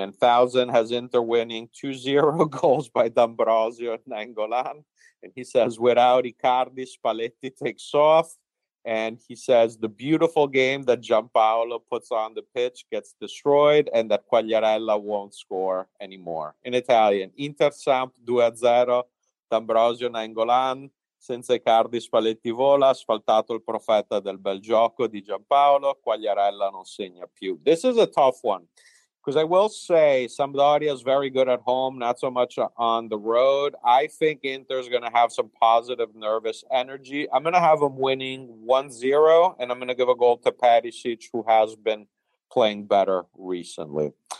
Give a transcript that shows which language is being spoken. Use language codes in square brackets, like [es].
[en] And Thousand has Inter winning 2-0, goals by D'Ambrosio and Nainggolan. And he says, without Icardi, Spalletti takes off. And he says, the beautiful game that Giampaolo puts on the pitch gets destroyed and that Quagliarella won't score anymore. In Italian, Inter Samp 2-0, D'Ambrosio Nainggolan. [it] Senza Icardi, Spalletti vola, asfaltato il profeta del bel gioco di Giampaolo, Quagliarella non segna più. [en] This is a tough one, because I will say Sampdoria is very good at home, not so much on the road. I think Inter is going to have some positive nervous energy. I'm going to have them winning 1-0, and I'm going to give a goal to Perisic, who has been playing better recently.